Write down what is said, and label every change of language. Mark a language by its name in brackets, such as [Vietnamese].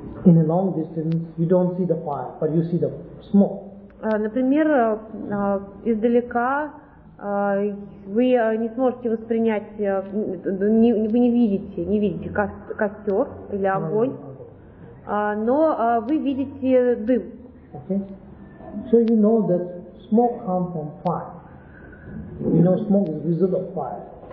[English] In a long distance, you don't see the fire, but you see the smoke. [Russian] Например, издалека вы не сможете воспринять, вы не видите костер или огонь, но вы видите дым. [English] Okay. So you know that smoke comes from fire. You know smoke is a result of fire.